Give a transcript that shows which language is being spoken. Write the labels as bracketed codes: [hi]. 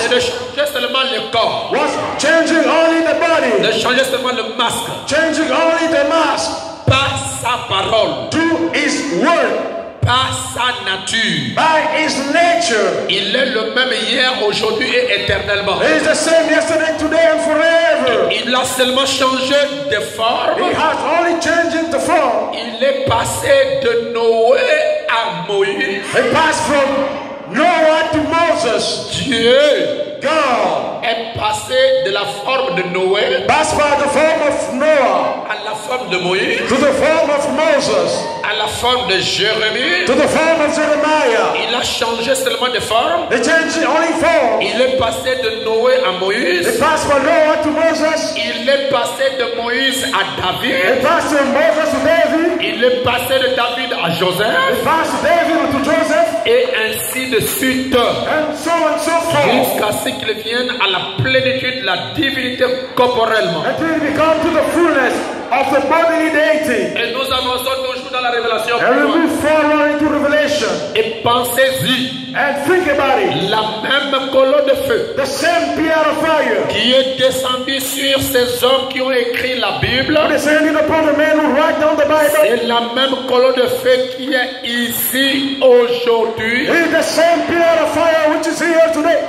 [fr] c'est de changer seulement le corps, [en] was changing only the body, [fr] de changer seulement le masque, [en] changing only the mask, [fr] par sa parole, [en] to his word, [fr] par sa nature. [en] By his nature. [fr] Il est le même hier, aujourd'hui et éternellement. [en] He is the same yesterday, today and forever. [fr] Il a seulement changé de forme. [en] He has only changed the form. [fr] Il est passé de Noé à Moïse. [en] He passed from Noah to Moses. [fr] Dieu. [en] God [fr] est passé de la forme de Noé, [en] passed by the form of Noah, [fr] à la forme de Moïse, [en] to the form of Moses, [fr] à la forme de Jérémie, [en] to the form of Jeremiah. [fr] Il a changé seulement de forme. [en] He changed only form. [fr] Il est passé de Noé à Moïse. [en] He passed from Noah to Moses. [fr] Il est passé de Moïse à David. [en] He passed from Moses to David. [fr] Il est passé de David à Joseph. [en] He passed David to Joseph. [fr] Et ainsi de suite. [en] And so forth. [fr] Jusqu'à ce qu'il vienne à la plénitude de la divinité corporellement. [en] Until we come to the fullness of the bodily deity. [fr] Et nous avançons toujours dans la révélation. [en] And we move forward into revelation. [fr] Et pensez-y. [en] And think about it. [fr] La même colonne de feu. [en] The same pillar of fire. [fr] Qui est descendu sur ces hommes qui ont écrit la Bible. [en] Descending upon the men who write down the Bible. [fr] C'est la même colonne de feu qui est ici aujourd'hui. [en] It's the same pillar of fire which is here today.